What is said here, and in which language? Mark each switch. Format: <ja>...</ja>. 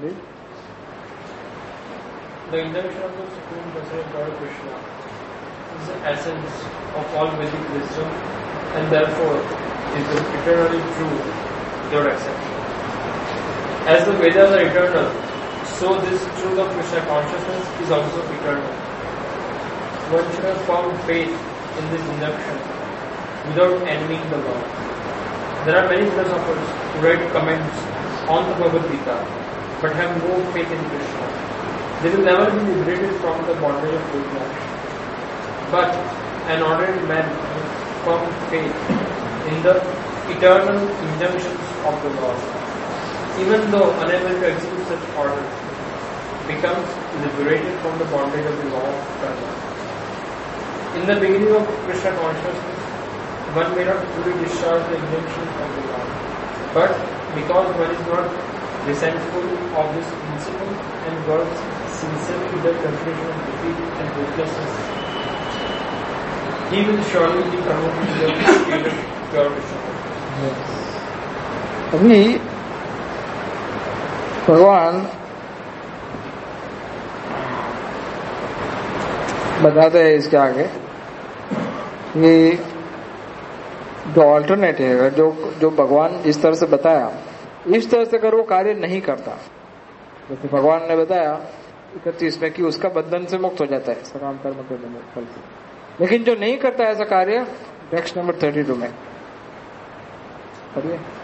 <en>Read the injunction of the supreme personality of God Krishna is the essence of all Vedic wisdom and therefore is the eternally true your exception as the Vedas are eternal So this truth of Krishna consciousness is also eternal. One should have found faith in this induction without envying the Lord. There are many philosophers who write comments on the Bhagavad Gita but have no faith in Krishna. They will never be liberated from the bondage of ignorance. But an ordinary man with firm faith in the eternal injunctions of the Lord, even though unable to execute such order, becomes liberated from the bondage of the law of karma. In the beginning of Krishna consciousness, one may not fully discharge the injunctions of the law, but because one is not resentful of this principle and works sincerely with the confusion of defeat and hopelessness, he will surely be promoted to the state of pure Krishna consciousness.</en> <hi>भगवान बताते हैं इसके आगे कि जो alternative है, जो जो भगवान इस तरह से बताया, इस तरह से अगर वो कार्य नहीं करता, जैसे भगवान ने बताया 31 में कि उसका बंधन से मुक्त हो जाता है सकाम कर्म के फल से, लेकिन जो नहीं करता ऐसा कार्य, टेक्स्ट नंबर 32 में पढ़िए,</hi>